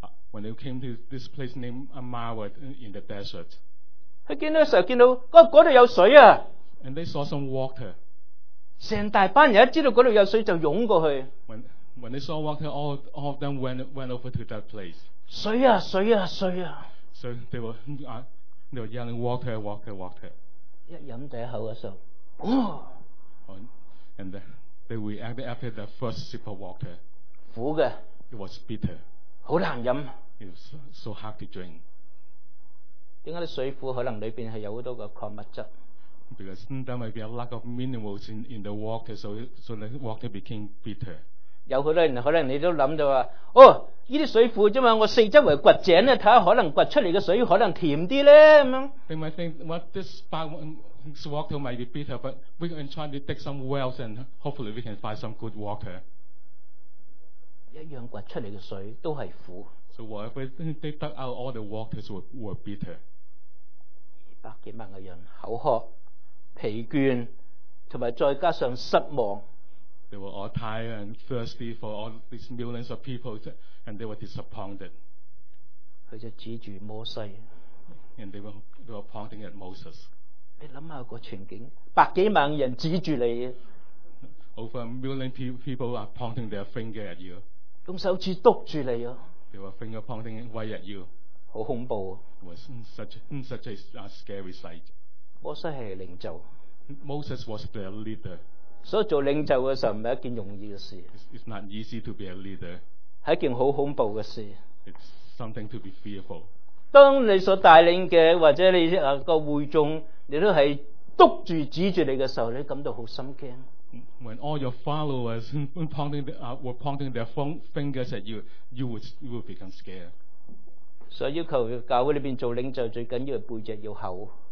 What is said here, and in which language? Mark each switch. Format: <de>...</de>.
<en>When they came to this place named Mara in the desert,</en> <yue>佢見到嘅時候見到嗰度有水啊。</yue> <en>And they saw some water.</en> <yue>成大班人一知道嗰度有水就湧過去。</yue> <en>When they saw water, all of them went over to that place.</en> <yue>水啊水啊水啊！</yue> <en>So they were yelling water, water, water.</en> <yue>一飲第一口嘅時候，哇！</yue> <en>And then. They reacted after the first sip of water.</en> <yue>苦的</yue> <en>It was bitter.</en> <yue>好难饮</yue> <en>It was so hard to drink.</en> <yue>点解啲水库可能里边系有好多嘅矿物质</yue> <en>？Because there might be a lack of minerals in the water, so the water became bitter.</en> <yue>有好多人可能你都谂到话，哦，呢啲水库啫嘛，我四周围掘井咧，睇下可能掘出嚟嘅水可能甜啲咧咁样。</yue> <en>They might think what this part. This water might be bitter, but we can try to dig some wells and hopefully we can find some good water.</en> <yue>一样掘出嚟嘅水都系苦。</yue> <en>So whatever they dug out, all the waters were bitter.</en> <yue>百几万嘅人口渴、疲倦，同埋再加上失望。</yue> <en>They were all tired and thirsty for all these millions of people, and they were disappointed.</en> <yue>佢就指住摩西。</yue> <en>And they were pointing at Moses.</en> <yue>你谂下个情景，百几万人指住你</yue> <en>，over a million people are pointing their finger at you，</en> <yue>用手指督住你啊</yue> <en>，they were finger pointing way at you，</en> <yue>好恐怖啊</yue> <en>，was such a scary sight。</en> <yue>摩西系领袖</yue> <en>，Moses was the leader，</en> <yue>所以做领袖嘅时候唔系一件容易嘅事</yue> <en>，it's not easy to be a leader，</en> <yue>系一件好恐怖嘅事</yue> <en>，it's something to be fearful。</en> <yue>当你所带领嘅或者你个会众。你都系督住指住你嘅时候，你感到好心惊。</yue> <en>When all your followers were pointing their fingers at you, you would become scared.</en> <yue>所以要求教会里边做领袖最紧要系背脊要厚。</yue>